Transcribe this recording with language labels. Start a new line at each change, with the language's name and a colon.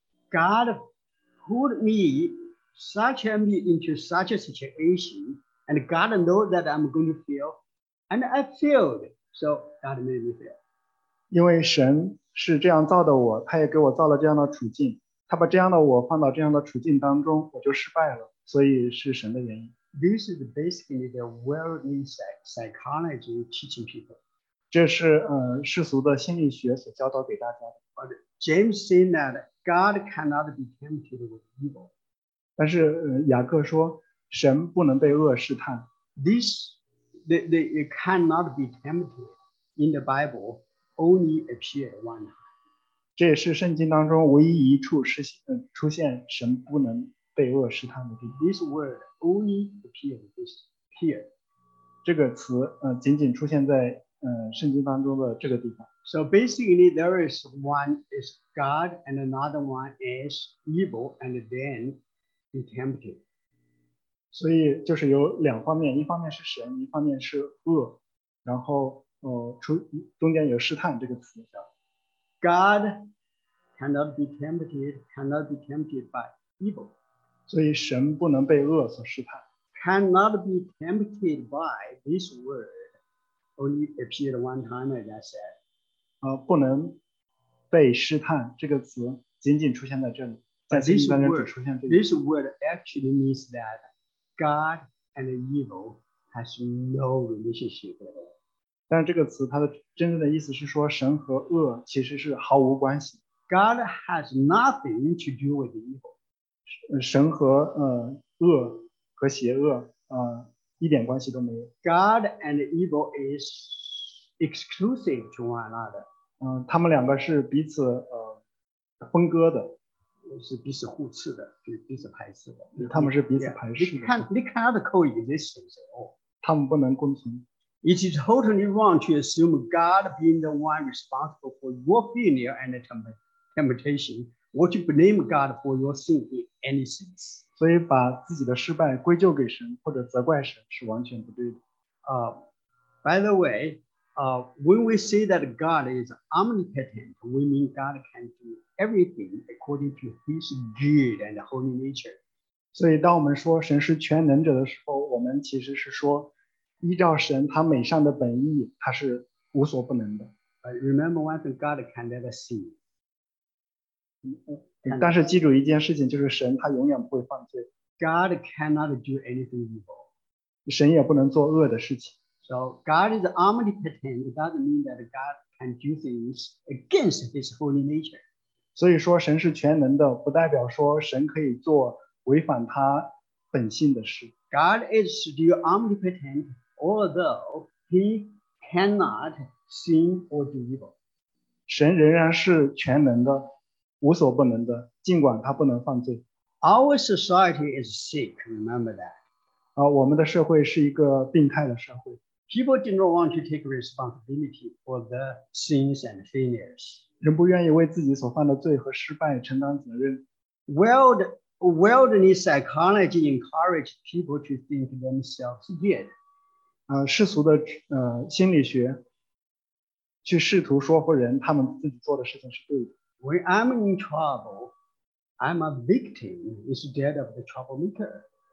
English: God put me such a me into such a situation, and God knows that I'm going to fail, and I failed. So God made me fail.
Chinese: 因为神是这样造的我，他也给我造了这样的处境。他把这样的我放到这样的处境当中，我就失败了。所以是神的原因。
English: This is basically the worldly psychology teaching people.
Chinese: 这是世俗的心理学所教导给大家的。
English: But James said that God cannot be tempted with evil.
Chinese: 但是雅各说，神不能被恶试探。
English: This, they cannot be tempted in the Bible. Only appear one time.
Chinese: 这也是圣经当中唯一一处出现神不能被恶试探的地方。
English: This word only appear this here.
Chinese: 这个词仅仅出现在圣经当中的这个地方。
English: So basically, there is one is God, and another one is evil, and then be tempted.
Chinese: 所以就是有两方面，一方面是神，一方面是恶，然后。中间有试探这个词。
English: God cannot be tempted, cannot be tempted by evil.
Chinese: 所以神不能被恶所试探。
English: Cannot be tempted by this word only appeared one time, as I said.
Chinese: 不能被试探这个词仅仅出现在这里。
English: This word actually means that God and evil has no relationship at all.
Chinese: 但这个词它的真正的意思是说神和恶其实是毫无关系。
English: God has nothing to do with evil.
Chinese: 神和恶和邪恶一点关系都没有。
English: God and evil is exclusive to one another.
Chinese: 他们两个是彼此分割的。是彼此互斥的，是彼此排斥的。他们是彼此排斥的。
English: They cannot coexist.
Chinese: 他们不能共存。
English: It is totally wrong to assume God being the one responsible for your failure and temptation, or to blame God for your sin in any sense.
Chinese: 所以把自己的失败归咎给神或者责怪神是完全不对的。
English: By the way, when we say that God is omnipotent, we mean God can do everything according to his good and holy nature.
Chinese: 所以当我们说神是全能者的时候，我们其实是说依照神他美善的本意，他是无所不能的。
English: Remember one thing, God can never sin.
Chinese: 但是记住一件事情，就是神他永远不会犯罪。
English: God cannot do anything evil.
Chinese: 神也不能做恶的事情。
English: So God is omnipotent, it doesn't mean that God can do things against his holy nature.
Chinese: 所以说神是全能的，不代表说神可以做违反他本性的事。
English: God is still omnipotent, although he cannot sin or do evil.
Chinese: 神仍然是全能的，无所不能的，尽管他不能犯罪。
English: Our society is sick, remember that.
Chinese: 我们的社会是一个病态的社会。
English: People do not want to take responsibility for the sins and failures.
Chinese: 人不愿意为自己所犯的罪和失败承担责任。
English: Worldly psychology encourages people to think themselves good.
Chinese: 世俗的心理学去试图说服人他们自己做的事情是对的。
English: When I'm in trouble, I'm a victim instead of the troublemaker.